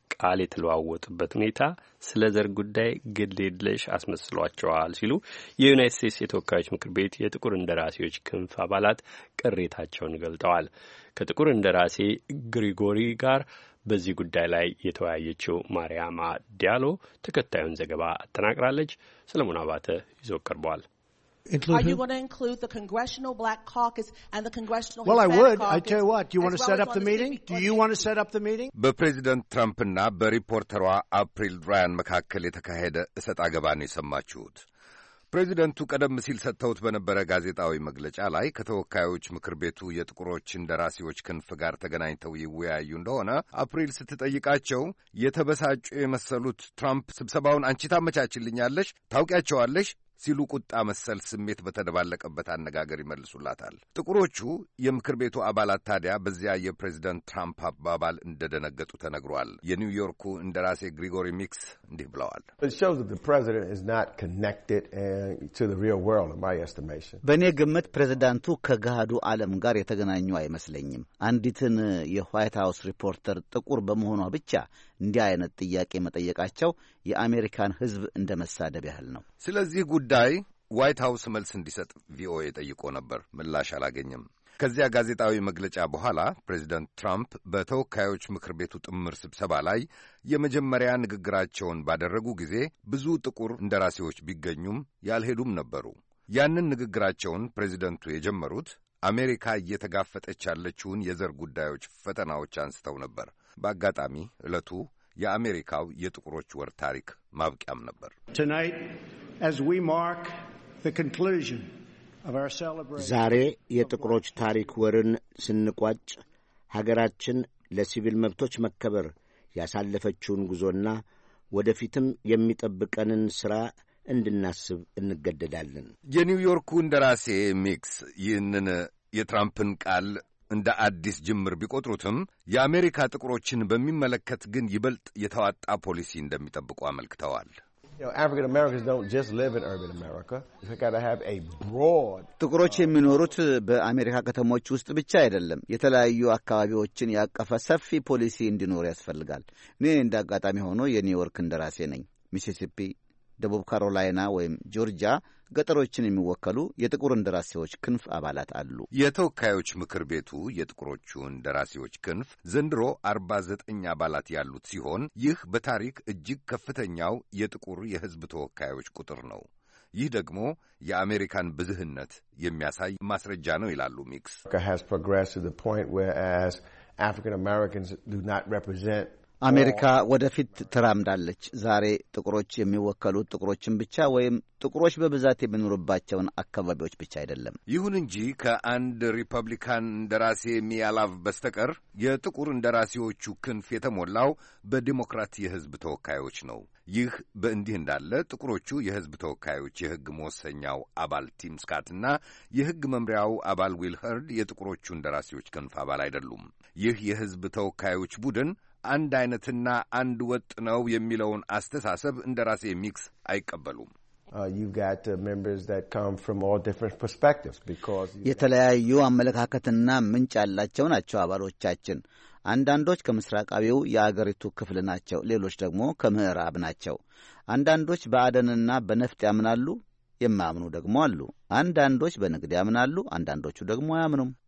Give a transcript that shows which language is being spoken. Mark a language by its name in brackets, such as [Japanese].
[Amharic] ቃል የተለዋወጡበት ሁኔታ ስለ ዘር ጉዳይ ግድድልሽ አስመስሏቸዋል ሲሉ የዩናይትድ ስቴትስ የተወካዮች ምክር ቤት የጥቁር እንደራሴዎች ክንፍ አባላት ቅሬታቸውን ገልጠዋል። ከጥቁር እንደራሴ ግሪጎሪ ጋር በዚህ ጉዳይ ላይ የተወያየችው ማርያማ ዲያሎ ተከታዩን ዘገባ አጠናቅራለች። ሰለሞን አባተ ይዞ ቀርቧል። [English] Are you going to include the Congressional Black Caucus and the Congressional Hispanic Caucus? Well, I would. I tell you what. Do you want to set up the meeting? Do you want to set up the meeting? [Amharic] በፕሬዚደንት ትራምፕ እና በሪፖርተሯ አፕሪል ድራያን መካከል የተካሄደ እሰጥ አገባ ነው የሰማችሁት። ፕሬዚደንቱ ቀደም ሲል ሰጥተውት በነበረ ጋዜጣዊ መግለጫ ላይ ከተወካዮች ምክር ቤቱ የጥቁሮች እንደራሴዎች ክንፍ ጋር ተገናኝተው ይወያዩ እንደሆነ አፕሪል ስትጠይቃቸው የተበሳጩ የመሰሉት ትራምፕ ስብሰባውን አንቺ ታመቻችልኛለሽ? ታውቂያቸዋለሽ? ሲሉ ቁጣ መሰል ስሜት በተደባለቀበት አነጋገር ይመልሱላታል። ጥቁሮቹ የምክር ቤቱ አባላት ታዲያ በዚያ የፕሬዚደንት ትራምፕ አባባል እንደደነገጡ ተነግሯል። የኒውዮርኩ እንደራሴ ግሪጎሪ ሚክስ እንዲህ ብለዋል። [English] It shows that the president is not connected to the real world in my estimation. [Amharic] በኔ ግምት ፕሬዚዳንቱ ከገሃዱ ዓለም ጋር የተገናኙ አይመስለኝም። አንዲትን የዋይት ሃውስ ሪፖርተር ጥቁር በመሆኗ ብቻ እንዲያ አይነት ጥያቄ መጠየቃቸው የአሜሪካን ህዝብ እንደመሳደብ ያህል ነው። ስለዚህ ጉዳይ ዋይት ሃውስ መልስ እንዲሰጥ ቪኦኤ ጠይቆ ነበር፣ ምላሽ አላገኘም። ከዚያ ጋዜጣዊ መግለጫ በኋላ ፕሬዚደንት ትራምፕ በተወካዮች ምክር ቤቱ ጥምር ስብሰባ ላይ የመጀመሪያ ንግግራቸውን ባደረጉ ጊዜ ብዙ ጥቁር እንደራሴዎች ቢገኙም ያልሄዱም ነበሩ። ያንን ንግግራቸውን ፕሬዚደንቱ የጀመሩት አሜሪካ እየተጋፈጠች ያለችውን የዘር ጉዳዮች ፈተናዎች አንስተው ነበር። በአጋጣሚ እለቱ የአሜሪካው የጥቁሮች ወር ታሪክ ማብቂያም ነበር። [English] Tonight as we mark the conclusion of our celebration [Amharic] ዛሬ የጥቁሮች ታሪክ ወርን ስንቋጭ ሀገራችን ለሲቪል መብቶች መከበር ያሳለፈችውን ጉዞና ወደፊትም የሚጠብቀንን ሥራ እንድናስብ እንገደዳለን። የኒውዮርኩ እንደራሴ ሚክስ ይህንን የትራምፕን ቃል እንደ አዲስ ጅምር ቢቆጥሩትም የአሜሪካ ጥቁሮችን በሚመለከት ግን ይበልጥ የተዋጣ ፖሊሲ እንደሚጠብቁ አመልክተዋል። [English] African Americans don't just live in urban America. They got to have a broad [Amharic] ጥቁሮች የሚኖሩት በአሜሪካ ከተሞች ውስጥ ብቻ አይደለም። የተለያዩ አካባቢዎችን ያቀፈ ሰፊ ፖሊሲ እንዲኖር ያስፈልጋል። እኔ እንዳጋጣሚ ሆኖ የኒውዮርክ እንደራሴ ነኝ። ሚሲሲፒ፣ ደቡብ ካሮላይና ወይም ጆርጂያ ገጠሮችን የሚወከሉ የጥቁር እንደራሴዎች ክንፍ አባላት አሉ። የተወካዮች ምክር ቤቱ የጥቁሮቹ እንደራሴዎች ክንፍ ዘንድሮ 49 አባላት ያሉት ሲሆን ይህ በታሪክ እጅግ ከፍተኛው የጥቁር የሕዝብ ተወካዮች ቁጥር ነው። ይህ ደግሞ የአሜሪካን ብዝህነት የሚያሳይ ማስረጃ ነው ይላሉ ሚክስ። [English] has progressed to the point whereas African Americans do not represent [Amharic] አሜሪካ ወደፊት ትራምዳለች። ዛሬ ጥቁሮች የሚወከሉት ጥቁሮችን ብቻ ወይም ጥቁሮች በብዛት የሚኖሩባቸውን አካባቢዎች ብቻ አይደለም። ይሁን እንጂ ከአንድ ሪፐብሊካን እንደራሴ ሚያላቭ በስተቀር የጥቁር እንደራሴዎቹ ክንፍ የተሞላው በዲሞክራት የሕዝብ ተወካዮች ነው። ይህ በእንዲህ እንዳለ ጥቁሮቹ የሕዝብ ተወካዮች የሕግ መወሰኛው አባል ቲም ስካትና የሕግ መምሪያው አባል ዊል ሀርድ የጥቁሮቹ እንደራሴዎች ክንፍ አባል አይደሉም። ይህ የሕዝብ ተወካዮች ቡድን አንድ አይነትና አንድ ወጥ ነው የሚለውን አስተሳሰብ እንደራሴ ሚክስ አይቀበሉም። [English] You've got members that come from all different perspectives because [Amharic] የተለያዩ አመለካከትና ምንጭ ያላቸው ናቸው አባሎቻችን። አንዳንዶች ከምስራቃዊው የአገሪቱ ክፍል ናቸው፣ ሌሎች ደግሞ ከምዕራብ ናቸው። አንዳንዶች በአደንና በነፍጥ ያምናሉ፣ የማያምኑ ደግሞ አሉ። አንዳንዶች በንግድ ያምናሉ፣ አንዳንዶቹ ደግሞ አያምኑም።